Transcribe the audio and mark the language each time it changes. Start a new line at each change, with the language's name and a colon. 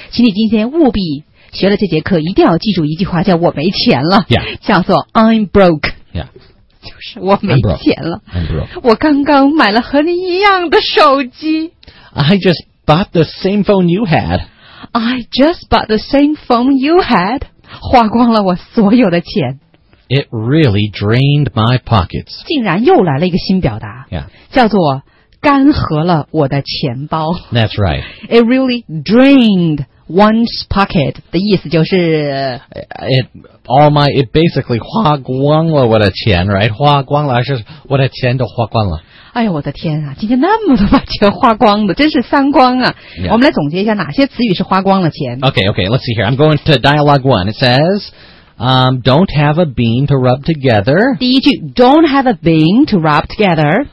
Chinese: 请你今天务必学了这节课，一定要记住一句话，叫我没钱了，
English: yeah.
Chinese: 叫做
English: I'm broke. Yeah.
Chinese: 就是我没钱了。
English: I'm broke.
Chinese: 我刚刚买了和你一样的手机。
English: I just bought the same phone you had. I just bought the same phone you had.
Chinese: 花光了我所有的钱。
English: It really drained my pockets.
Chinese: 竟然又来了一个新表达。
English: Yeah.
Chinese: 叫做干涸了我的钱包。
English: That's right. It really drained one's pocket.
Chinese: 的意思就是
English: It basically
Chinese: 花光了我的钱
English: right?
Chinese: 花光了，还是我的钱都花光了。哎呦我的天啊，今天那么多把钱花光的，真是三光啊。
English: Yeah.
Chinese: 我们来总结一下哪些词语是花光了钱。
English: Okay, let's see here. I'm going to dialogue one. It says, don't have a bean to rub together.
Chinese: 第一句
English: don't have a bean to rub together.